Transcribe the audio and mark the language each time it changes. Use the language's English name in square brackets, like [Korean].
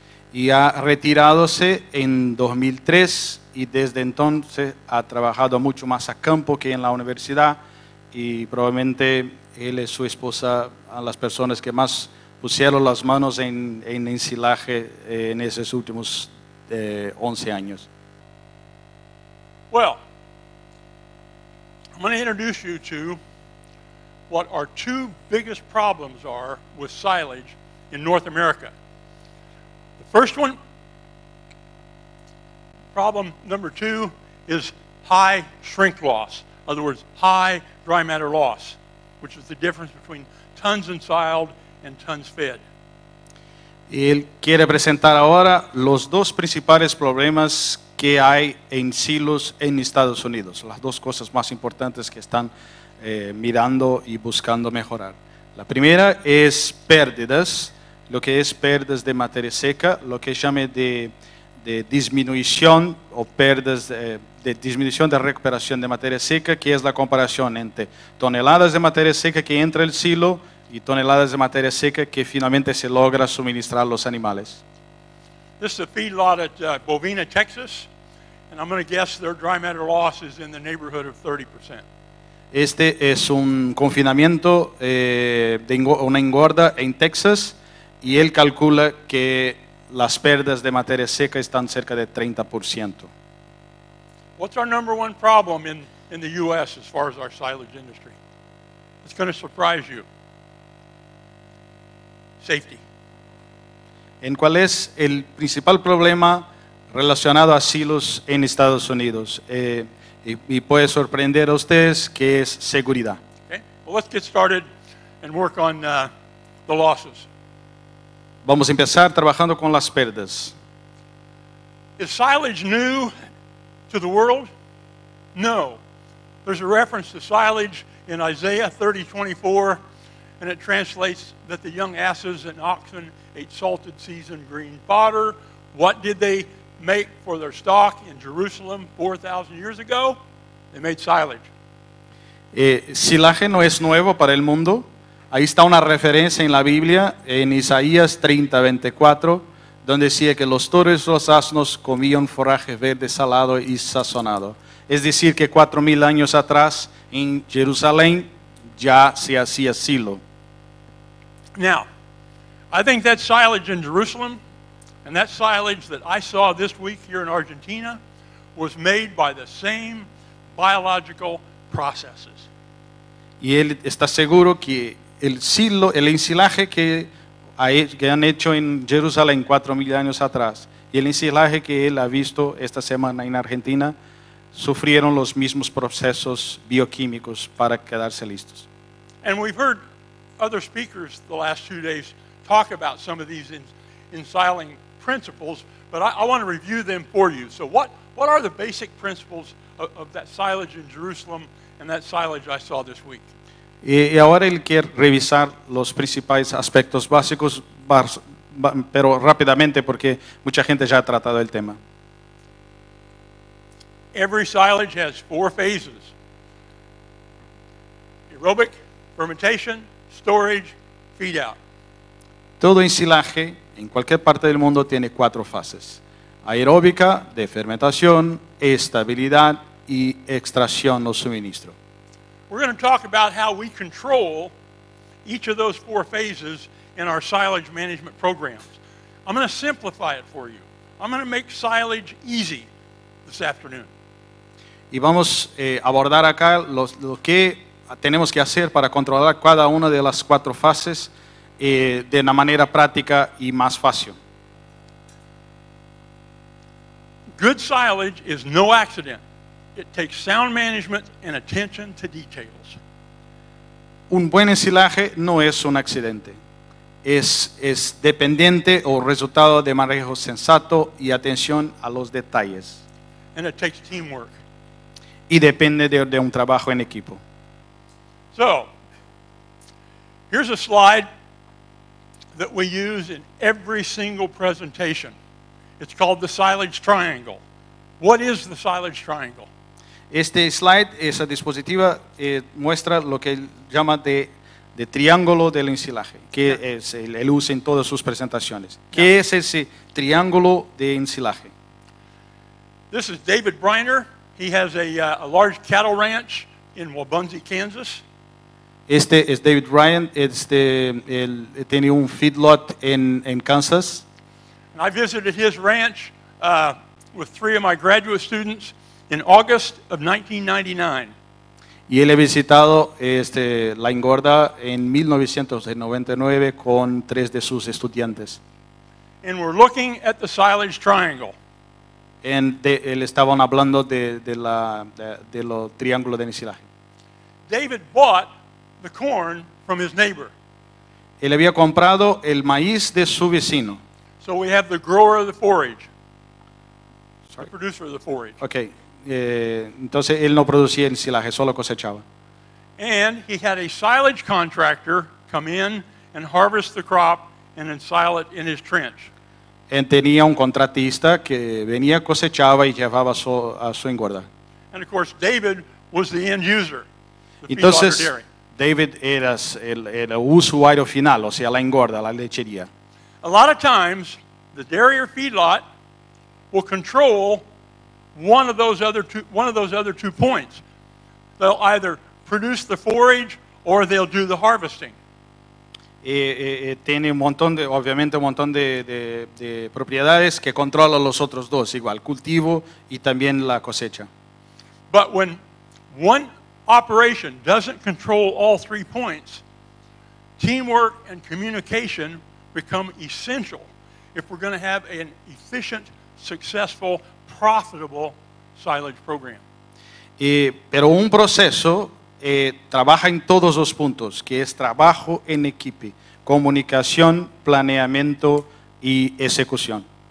[Spanish] Y ha retirado en 2003, y desde entonces ha trabajado mucho más a campo que en la universidad, y probablemente él y su esposa a las personas que más pusieron las manos en ensilaje en esos últimos 11 años. [English] Well, I'm going to introduce you to what our two biggest problems are with silage in North America. The first one, problem number two, is high shrink loss. In other words, high dry matter loss, which is the difference between tons ensiled and tons fed. [Spanish] Él quiere presentar ahora los dos principales problemas que hay en silos en Estados Unidos, las dos cosas más importantes que están mirando y buscando mejorar. La primera es pérdidas, lo que es pérdidas de materia seca, lo que llame de disminución o pérdidas de disminución de recuperación de materia seca, que es la comparación entre toneladas de materia seca que entra el silo y toneladas de materia seca que finalmente se logra suministrar a los animales. [English] This is a feedlot at Bovina, Texas, and I'm going to guess their dry matter loss is in the neighborhood of 30%. [Spanish] Este es un confinamiento de una engorda en Texas, y él calcula que las pérdidas de materia seca están cerca de 30%. [English] What's our number one problem in the U.S. as far as our silage industry? It's going to surprise you. Safety. [Spanish] ¿En cuál es el principal problema relacionado a silos en Estados Unidos? Y puede sorprender a ustedes que es seguridad. [English] Okay. Well, let's get started and work on the losses. [Spanish] Vamos a empezar trabajando con las pérdidas. [English] Is silage new to the world? No. There's a reference to silage in Isaiah 30:24, and it translates that the young asses and oxen ate salted seasoned green fodder. What did they make for their stock in Jerusalem 4,000 years ago? They made silage. [Spanish] Silaje no es nuevo para el mundo. Ahí está una referencia en la Biblia, en Isaías 30:24. Donde decía que los toros y los asnos comían forraje verde salado y sazonado. Es decir, que 4,000 años atrás en Jerusalén ya se hacía silo. [English] Now, I think that silage in Jerusalem and that silage that I saw this week here in Argentina was made by the same biological processes. [Spanish] Y él está seguro que el silo, el ensilaje que han hecho en Jerusalén 4,000 años atrás y el ensilaje que él ha visto esta semana en Argentina sufrieron los mismos procesos bioquímicos para quedarse listos. [English] And we've heard other speakers the last few days talk about some of these ensiling principles, but I want to review them for you. So what are the basic principles of that silage in Jerusalem and that silage I saw this week? [Spanish] Y ahora él quiere revisar los principales aspectos básicos, pero rápidamente porque mucha gente ya ha tratado el tema. [English] Every silage has four phases: aerobic, fermentation, storage, feed out. [Spanish] Todo ensilaje en cualquier parte del mundo tiene cuatro fases: aeróbica, de fermentación, estabilidad y extracción o suministro. [English] We're going to talk about how we control each of those four phases in our silage management programs. I'm going to simplify it for you. I'm going to make silage easy this afternoon. [Spanish] Y vamos abordar acá lo que tenemos que hacer para controlar cada una de las cuatro fases de una manera práctica y más fácil. [English] Good silage is no accident. It takes sound management and attention to details. [Spanish] Un buen ensilaje no es un accidente. Es dependiente o resultado de manejo sensato y atención a los detalles. [English] And it takes teamwork. [Spanish] Y depende de un trabajo en equipo. [English] So, here's a slide that we use in every single presentation. It's called the silage triangle. What is the silage triangle? [Spanish] Este slide, esa dispositiva, muestra lo que llama de triángulo del ensilaje, que es el usa en todas sus presentaciones. ¿Qué es ese triángulo de ensilaje? [English] This is David Briner. He has a large cattle ranch in Waubonsie, Kansas. [Spanish] Este es David Ryan. Él tiene un feedlot en Kansas. [English] And I visited his ranch with three of my graduate students in August of 1999. [Spanish] Y él ha visitado la engorda en 1999 con tres de sus estudiantes. [English] And we're looking at the silage triangle. [Spanish] Él estaban hablando de los triángulos de ensilaje. [English] David bought the corn from his neighbor. [Spanish] Él había comprado el maíz de su vecino. [English] So we have the grower of the forage. Sorry. The producer of the forage. [Spanish] Okay. Entonces él no producía ensilaje, solo cosechaba. [English] And he had a silage contractor come in and harvest the crop and ensile it in his trench. [Spanish] Él tenía un contratista que venía, cosechaba y llevaba a su engorda. [English] And of course David was the end user. [Spanish] Entonces David era el usuario final, o sea, la engorda, la lechería. [English] A lot of times the dairy or feedlot will control one of those other two points. They'll either produce the forage or they'll do the harvesting. [Spanish] Tiene un montón de, obviamente un montón de propiedades que controlan los otros dos, igual cultivo y también la cosecha. [English] But when one operation doesn't control all three points, teamwork and communication become essential if we're going to have an efficient, successful, profitable silage program. [Spanish] Pero un proceso trabaja en todos los puntos, que es trabajo en equipo, comunicación, planeamiento y ejecución.